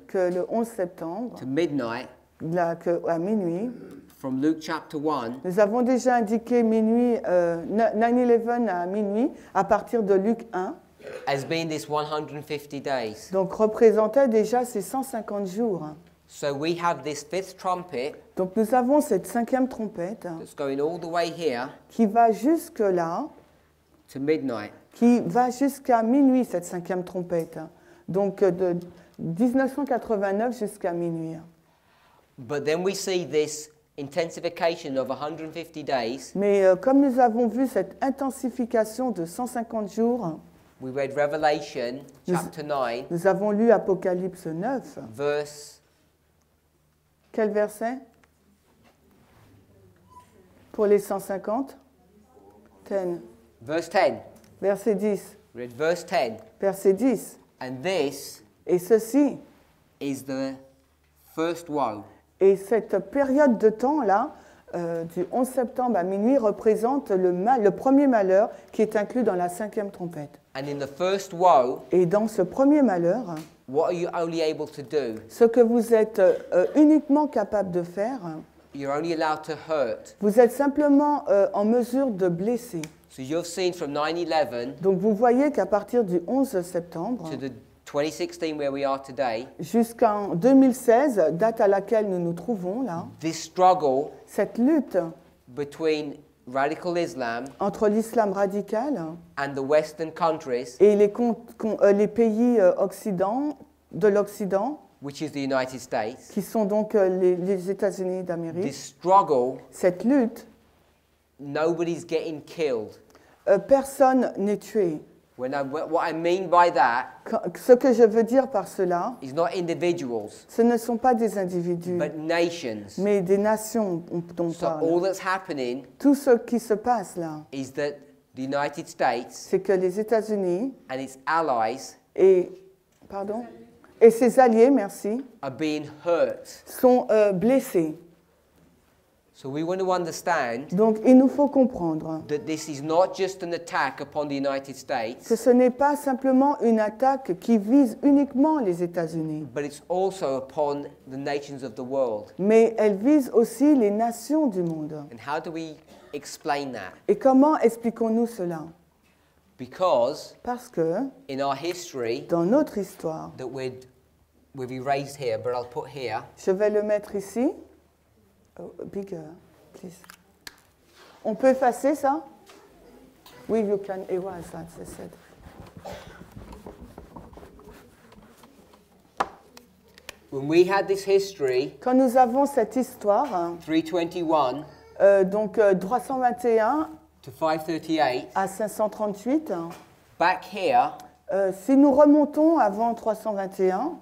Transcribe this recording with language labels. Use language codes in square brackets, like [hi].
[fr] Que le 11 septembre. [en] To midnight. [fr] Là, que à minuit. [en] From Luke chapter 1. [fr] Nous avons déjà indiqué minuit 9/11 à minuit à partir de Luc 1. [en] Has been this 150 days. [fr] Donc représentait déjà ces 150 jours. [en] So we have this fifth trumpet. [fr] Donc nous avons cette cinquième trompette [en] going all the way here, [fr] qui va jusque là, [en] to midnight, [fr] qui va jusqu'à minuit, cette cinquième trompette. Donc de 1989 jusqu'à minuit. [en] But then we see this intensification of 150 days, [fr] mais comme nous avons vu cette intensification de 150 jours, [en] we read Revelation chapter 9, [fr] nous avons lu Apocalypse 9, [en] verse, [fr] quel verset? Pour les 150, 10. [en] Verse 10. [fr] Verset 10. [en] Read verse 10. [fr] Verset 10. [en] And this, [fr] et ceci, [en] is the first woe. [fr] Et cette période de temps là, du 11 septembre à minuit, représente le premier malheur qui est inclus dans la cinquième trompette. [en] And in the first woe, [fr] et dans ce premier malheur, [en] what are you only able to do? [fr] Ce que vous êtes uniquement capable de faire, [en] you're only allowed to hurt. [fr] Vous êtes simplement en mesure de blesser. [en] So you've seen from 9/11, [fr] donc vous voyez qu'à partir du 11 septembre [en] to the 2016 where we are today, [fr] jusqu'en 2016, date à laquelle nous nous trouvons là, [en] this struggle, [fr] cette lutte [en] between radical Islam, [fr] entre l'islam radical [en] and the Western countries, [fr] et les pays occident, de l'Occident, [en] which is the United States, [fr] qui sont donc les États-Unis d'Amérique. [en] This struggle, [fr] cette lutte, [en] nobody's getting killed. [fr] Personne n'est tué. [en] What I mean by that, [fr] ce que je veux dire par cela, [en] is not individuals, [fr] ce ne sont pas des individus, [en] but nations, [fr] mais des nations dont on parle. [en] All that's happening, [fr] tout ce qui se passe là, [en] is that the United States, [fr] c'est que les États-Unis [en] and its allies, [fr] et pardon. Et ses alliés, merci, [en] are being hurt, [fr] sont blessés. [en] So we want to understand, [fr] donc, il nous faut comprendre, [en] that this is not just an attack upon the United States, [fr] que ce n'est pas simplement une attaque qui vise uniquement les États-Unis, [en] but it's also upon the nations of the world. [fr] Mais elle vise aussi les nations du monde. [en] And how do we explain that? [fr] Et comment expliquons-nous cela? [en] Because, [fr] parce que, [en] in our history, [fr] dans notre histoire, [en] that we'd be raised here, but I'll put here, [fr] je vais le mettre ici. [en] Oh, bigger, please. [fr] On peut effacer ça? [en] Oui, you can erase that, they said. When we had this history, [fr] quand nous avons cette histoire, [en] 321, [fr] donc 321, [en] to 538, [fr] à 538, [en] back here, [fr] si nous remontons avant 321,